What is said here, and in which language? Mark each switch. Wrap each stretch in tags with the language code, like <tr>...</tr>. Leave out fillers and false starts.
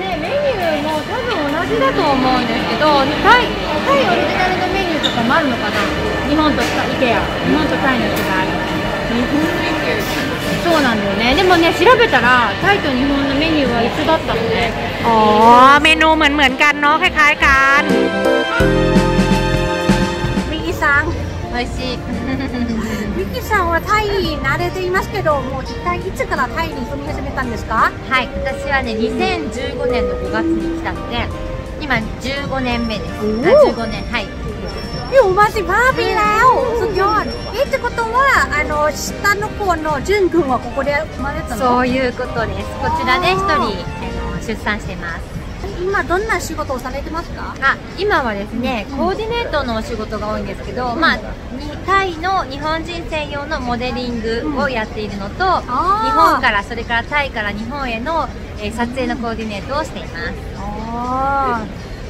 <ja>メニューも多分同じだと思うんですけど、タイオリジナルのメニューとかもあるのかな？日本とイケア、日本とタイの違い。そうなんだよね。でもね、調べたらタイと日本のメニューは一緒だったので。</ja> <th>あ、メニューเหมือนกันเนาะ、คล้ายๆกัน。</th> <ja>ミキさん、おいしい。ミキさんはタイに慣れていますけど、もう一体いつからタイに住み始めたんですか？はい、私はね、2015年の5月に来たので、今15年目です。 15年、はい。</ja> <th>โอ้มาสิบ้าไปแล้วสุดยอดเอ๊ะ</th> <ja>ってことはあの下の子のジュン君はここで生まれたの？そういうことです。こちらで一人出産しています。今どんな仕事をされてますか？あ、今はですね、コーディネートのお仕事が多いんですけど、まあタイの日本人専用のモデリングをやっているのと、日本からそれからタイから日本への撮影のコーディネートをしています。</ja>